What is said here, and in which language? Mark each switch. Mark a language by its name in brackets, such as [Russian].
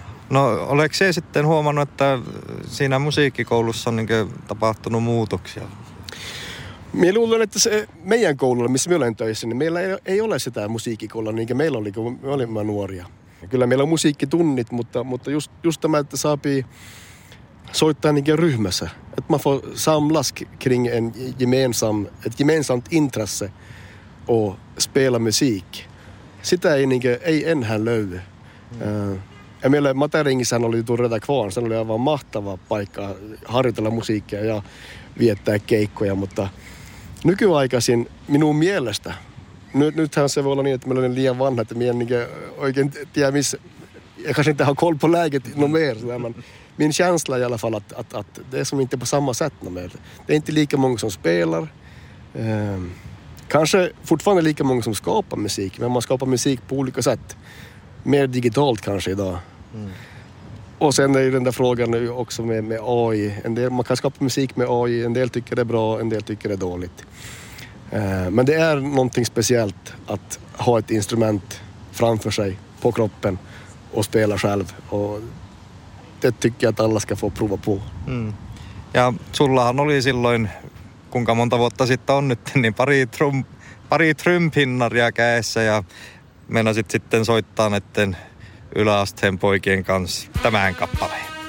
[Finnish] No, oleksä sitten huomannut, että siinä musiikkikoulussa on niin kuin tapahtunut muutoksia? Minä luulen, että se meidän koululla, missä minä olen töissä, niin meillä ei ole sitä musiikkikoulua niin kuin meillä oli, kun me olimme nuoria. Kyllä meillä on musiikkitunnit, mutta just tämä, että saapii soittaa niin kuin ryhmässä. [Swedish] Että man får samlas kring en gemensam, ett gemensamt intresse och spela musik. [Finnish] Sitä ei, niin kuin, ei enhän löydy. Ja meillä Mataringissähän oli Tureta Kvaan, se oli aivan mahtava paikka harjoitella musiikkia ja viettää keikkoja, mutta nykyaikaisin minun mielestä, nythän se voi olla niin, että meillä on liian vanha, että minä en niin oikein tiedä missä, ja kanssa tähän kolpo läget numeerilla, minun [Swedish] känsla i alla fall, att det är som inte på samma sätt [Finnish] numeerilla. [Swedish] Det är inte lika många som spelar, kanske fortfarande lika många som skapar musik, men man skapar musik på olika sätt. Mer digitalt kanske idag. Mm. Och sen är ju den där frågan nu också med AI. En del, man kan skapa musik med AI. En del tycker det är bra, en del tycker det är dåligt. Men det är någonting speciellt att ha ett instrument framför sig på kroppen och spela själv. Och det tycker jag att alla ska få prova på. Mm. [Finnish] Ja, sullahan oli silloin, kuinka monta vuotta sitten on nyt, niin pari trumpinnaria käessä ja meinasit sitten soittaa näiden yläasteen poikien kanssa tämän kappaleen.